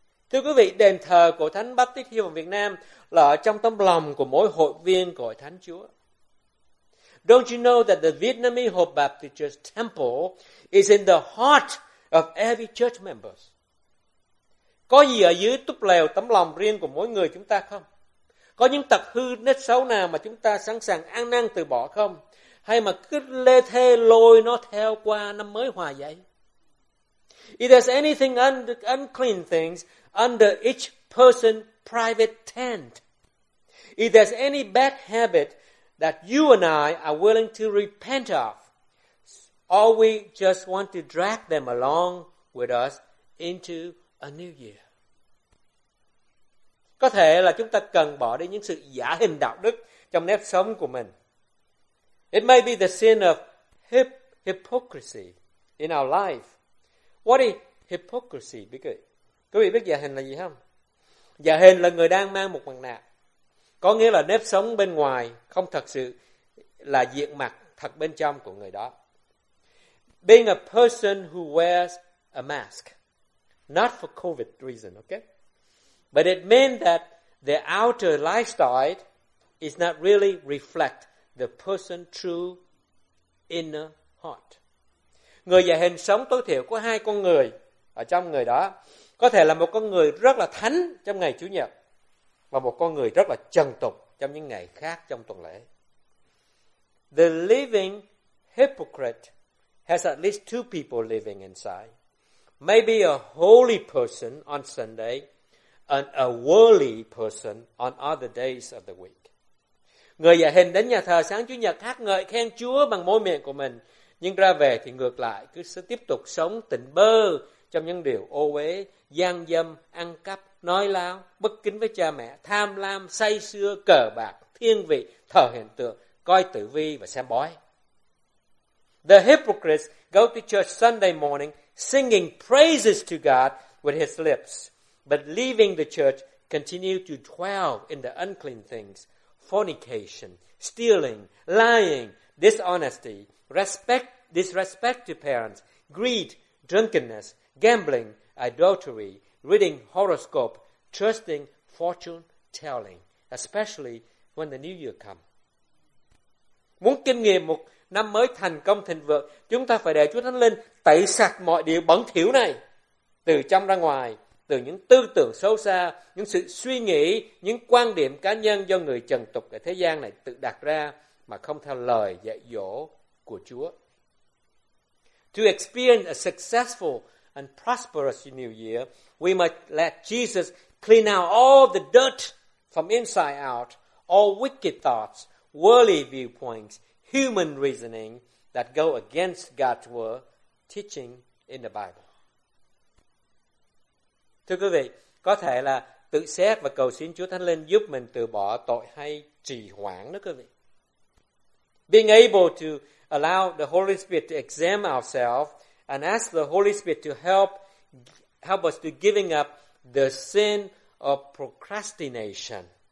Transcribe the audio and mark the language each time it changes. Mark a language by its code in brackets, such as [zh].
[vi] Thưa quý vị, đền thờ của Thánh Baptist Hill ở Việt Nam là ở trong tấm lòng của mỗi hội viên của Hội Thánh Chúa. [en] Don't you know that the Vietnamese Hope Baptist Church Temple is in the heart of every church member? [vi] Có gì ở dưới túp lều tấm lòng riêng của mỗi người chúng ta không? Có những tật hư nết xấu nào mà chúng ta sẵn sàng ăn năn từ bỏ không? Hay mà cứ lê thê lôi nó theo qua năm mới hòa vậy? [en] If there's anything unclean things under each person's private tent, if there's any bad habit that you and I are willing to repent of, or we just want to drag them along with us into a new year. [vi] Có thể là chúng ta cần bỏ đi những sự giả hình đạo đức trong nếp sống của mình. [en] It may be the sin of hypocrisy in our life. What is hypocrisy? [vi] Quý vị biết giả hình là gì không? Giả hình là người đang mang một mặt nạ. Có nghĩa là nếp sống bên ngoài không thật sự là diện mặt thật bên trong của người đó. [en] Being a person who wears a mask, not for COVID reason, okay? But it means that the outer lifestyle is not really reflect the person's true inner heart. [vi] Người giả hình sống tối thiểu có hai con người ở trong người đó. Có thể là một con người rất là thánh trong ngày Chủ nhật và một con người rất là trần tục trong những ngày khác trong tuần lễ. [en] The living hypocrite has at least two people living inside. Maybe a holy person on Sunday and a worldly person on other days of the week. [vi] Người giả hình đến nhà thờ sáng Chủ nhật hát ngợi khen Chúa bằng môi miệng của mình, nhưng ra về thì ngược lại cứ sẽ tiếp tục sống tỉnh bơ trong những điều ô uế, gian dâm, ăn cắp, nói láo, bất kính với cha mẹ, tham lam, say sưa, cờ bạc, thiên vị, thờ hiện tượng, coi tử vi và xem bói. [en] The hypocrites go to church Sunday morning singing praises to God with his lips, but leaving the church continue to dwell in the unclean things, fornication, stealing, lying, dishonesty, disrespect to parents, greed, drunkenness, gambling, idolatry, reading horoscope, trusting fortune telling, especially when the new year comes. [vi] Muốn kinh nghiệm một năm mới thành công thịnh vượng, chúng ta phải để Chúa Thánh Linh tẩy sạch mọi điều bẩn thỉu này từ trong ra ngoài, từ những tư tưởng sâu xa, những sự suy nghĩ, những quan điểm cá nhân do người trần tục ở thế gian này tự đặt ra mà không theo lời dạy dỗ của Chúa. [en] To experience a successful and prosperous new year, we must let Jesus clean out all the dirt from inside out, all wicked thoughts, worldly viewpoints, human reasoning that go against God's word, teaching in the Bible. [vi] Thưa quý vị, có thể là tự xét và cầu xin Chúa Thánh Linh giúp mình từ bỏ tội hay trì hoãn đó quý vị. [en] Being able to allow the Holy Spirit to examine ourselves and ask the Holy Spirit to help us to giving up the sin of procrastination.